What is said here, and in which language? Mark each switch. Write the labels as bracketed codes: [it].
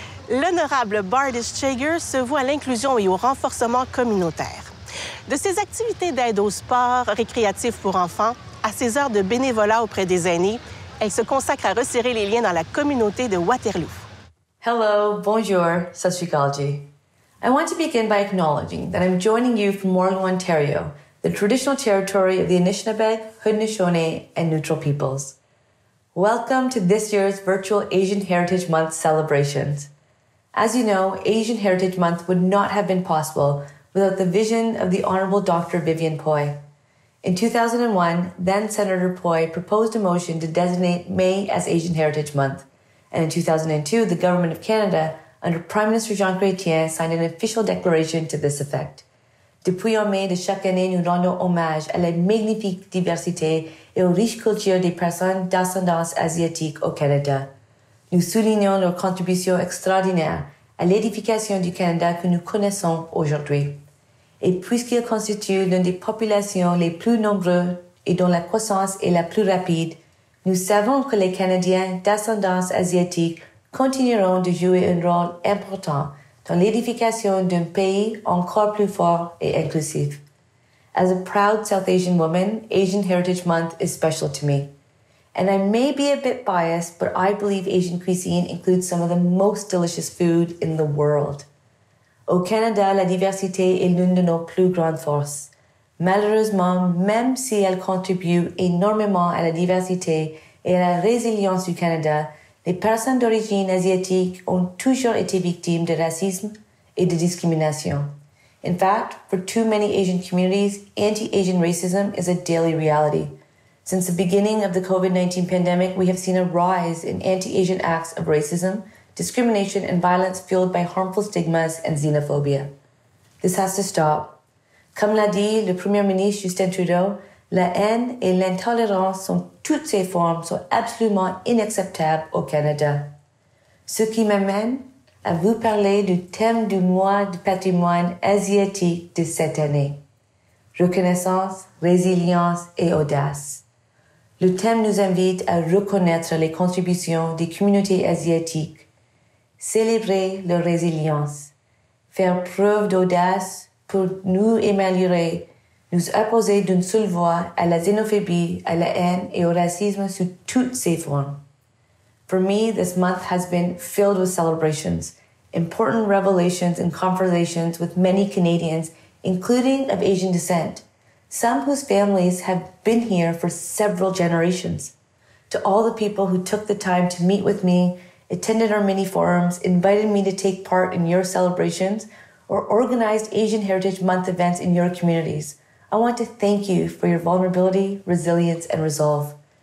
[fr] l'honorable Bardis Chager se voue à l'inclusion et au renforcement communautaire. De ses activités d'aide au sport récréatif pour enfants à ses heures de bénévolat auprès des aînés, elle se consacre à resserrer les liens dans la communauté de Waterloo. Hello, bonjour, ça suis Kalji. [en] I want to begin by acknowledging that I'm joining you from Morland, Ontario, the traditional territory of the Anishinaabeg, Haudenosaunee, and Neutral Peoples. Welcome to this year's virtual Asian Heritage Month celebrations. As you know, Asian Heritage Month would not have been possible without the vision of the Honorable Dr. Vivian Poy. In 2001, then-Senator Poy proposed a motion to designate May as Asian Heritage Month. And in 2002, the Government of Canada, under Prime Minister Jean Chrétien, signed an official declaration to this effect. [fr] Depuis en mai de chaque année, nous rendons hommage à la magnifique diversité et aux riches cultures des personnes d'ascendance asiatique au Canada. Nous soulignons leur contribution extraordinaire à l'édification du Canada que nous connaissons aujourd'hui. Et puisqu'ils constituent l'une des populations les plus nombreuses et dont la croissance est la plus rapide, nous savons que les Canadiens d'ascendance asiatique continueront de jouer un rôle important dans l'édification d'un pays encore plus fort et inclusif. [en] As a proud South Asian woman, Asian Heritage Month is special to me. And I may be a bit biased, but I believe Asian cuisine includes some of the most delicious food in the world. [fr] Au Canada, la diversité est l'une de nos plus grandes forces. Malheureusement, même si elle contribue énormément à la diversité et à la résilience du Canada, les personnes d'origine asiatique ont toujours été victimes de racisme et de discrimination. [en] In fact, for too many Asian communities, anti-Asian racism is a daily reality. Since the beginning of the COVID-19 pandemic, we have seen a rise in anti-Asian acts of racism, discrimination, and violence fueled by harmful stigmas and xenophobia. This has to stop. [fr] Comme l'a dit le Premier ministre Justin Trudeau, la haine et l'intolérance sont toutes ces formes sont absolument inacceptables au Canada. Ce qui m'amène à vous parler du thème du mois du patrimoine asiatique de cette année. Reconnaissance, résilience et audace. Le thème nous invite à reconnaître les contributions des communautés asiatiques, célébrer leur résilience, faire preuve d'audace pour nous améliorer, nous opposer d'une seule voix à la xénophobie, à la haine et au racisme sous toutes ses formes. [en] For me, this month has been filled with celebrations, important revelations and conversations with many Canadians, including of Asian descent, some whose families have been here for several generations. To all the people who took the time to meet with me, attended our mini forums, invited me to take part in your celebrations, or organized Asian Heritage Month events in your communities, I want to thank you for your vulnerability, resilience, and resolve.